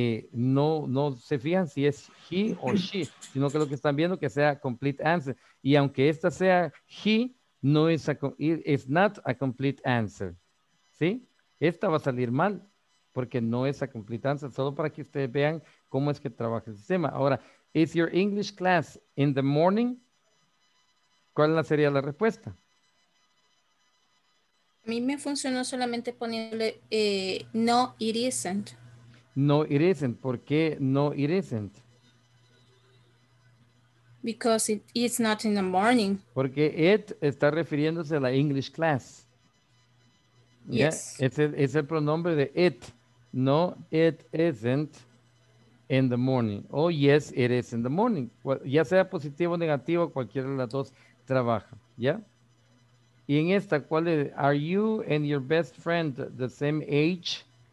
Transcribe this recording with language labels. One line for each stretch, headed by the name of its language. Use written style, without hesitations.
Spanish: No se fijan si es he o she, sino que lo que están viendo que sea complete answer. Y aunque esta sea he, no es
English: it's not a complete answer.
Spanish: ¿Sí? Esta va a salir mal, porque no es
English: a complete answer.
Spanish: Solo para que ustedes vean cómo es que trabaja el sistema.
English: Ahora, is your English class in the morning?
Spanish: ¿Cuál sería la respuesta? A mí me funcionó solamente poniéndole
English: no, it isn't. No, it isn't.
Spanish: ¿Por qué
English: no, it isn't? Because it's not in the morning.
Spanish: Porque it está refiriéndose a la English class.
English: Yes. Yeah?
Spanish: Es el pronombre de
English: it. No, it isn't. In the morning. Oh, yes, it is in the morning.
Spanish: Well, ya sea positivo o negativo, cualquiera de las dos trabaja, ¿ya? Y en esta, ¿cuál es?
English: Are you and your best friend the same age?